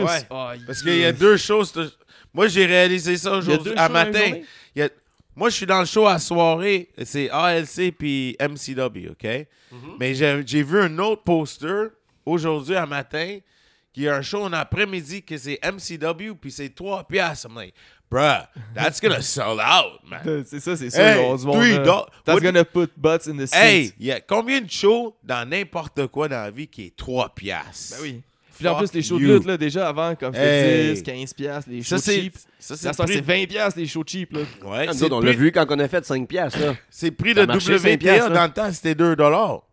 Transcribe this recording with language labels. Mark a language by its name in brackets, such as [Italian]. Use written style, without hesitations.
[French] Ouais. Oh, parce qu'il y a deux choses. Moi, j'ai réalisé ça aujourd'hui, à matin. Il y a... Moi, je suis dans le show à soirée. C'est ALC puis MCW, OK? Mm-hmm. Mais j'ai vu un autre poster aujourd'hui, à matin, qui a un show en après-midi que c'est MCW puis c'est 3 piastres. [English] I'm like, bruh, that's gonna sell out, man. [French] C'est ça. [English] Hey, [French] on se montre, [English] that's gonna put butts in the seats. [French] Hey, il y a combien de shows dans n'importe quoi dans la vie qui est 3 piastres? Ben oui. Puis en plus, les shows de lutte, là, déjà avant, comme je te dis, 15 piastres, les shows cheap. Ça c'est 20 piastres, les shows cheap, là. Ouais, c'est on l'a vu quand on a fait 5 piastres, là. C'est le prix de WPA, dans le temps, c'était 2$.